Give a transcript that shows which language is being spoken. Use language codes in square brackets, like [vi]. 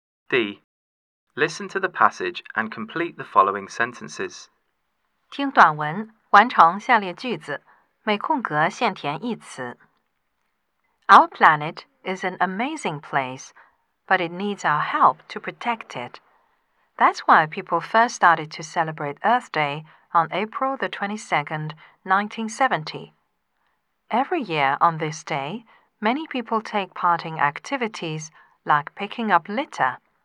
[en] 第Listen to the passage and complete the following sentences. [zh] 听短文，完成下列句子，每空格限填一词。 [en] Our planet is an amazing place, but it needs our help to protect it. That's why people first started to celebrate Earth Day on April the 22nd, 1970. Every year on this day, many people take part in activities like picking up litter.